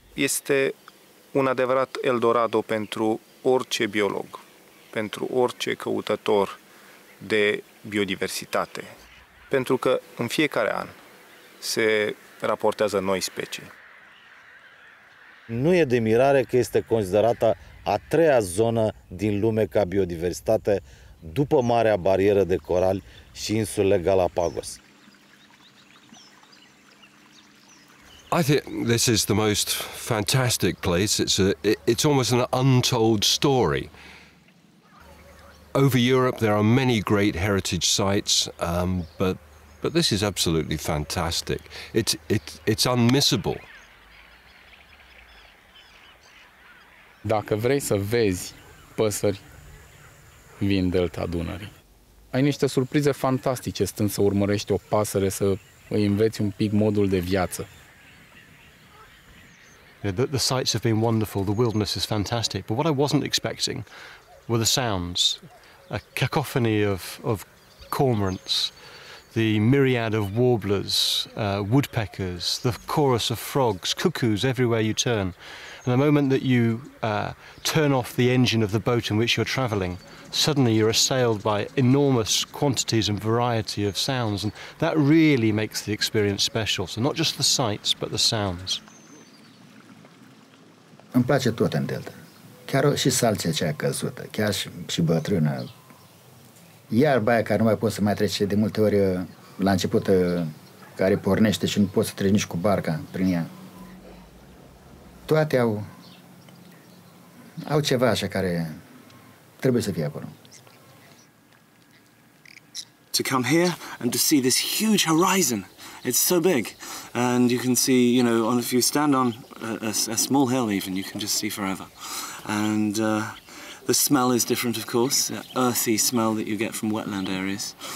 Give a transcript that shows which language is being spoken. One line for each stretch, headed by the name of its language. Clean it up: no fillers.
Romanian: Este un adevărat Eldorado pentru orice biolog, pentru orice căutător de biodiversitate, pentru că în fiecare an se raportează noi specii. Nu e de mirare că este considerată a treia zonă din lume ca biodiversitate după Marea Barieră de Corali și insulele Galapagos.
English: I think this is the most fantastic place. It's almost an untold story. Over Europe, there are many great heritage sites, but this is absolutely fantastic. It's unmissable.
Romanian: Dacă vrei să vezi păsări, vii în Delta Dunării. Ai niște surprize fantastice stând să urmărești o pasăre, să îi înveți un pic modul de viață.
English: Yeah, the sites have been wonderful. The wilderness is fantastic. But what I wasn't expecting were the sounds. A cacophony of cormorants, the myriad of warblers, woodpeckers, the chorus of frogs, cuckoos everywhere you turn. And the moment that you turn off the engine of the boat in which you're traveling, suddenly you're assailed by enormous quantities and variety of sounds. And that really makes the experience special. So not just the sights, but the sounds.
Romanian: Îmi place tot în Delta. Chiar și salția cea căzută, chiar și bătrâna. Iarba aia care nu mai poți să mai treci de multe ori la început, care pornește și nu poți să treci nici cu barca prin ea. Toate au ceva așa care trebuie să fie acolo.
English: To come here and to see this huge horizon It's so big, and you can see, you know, on, if you stand on a small hill even, you can just see forever. And the smell is different, of course, the earthy smell that you get from wetland areas.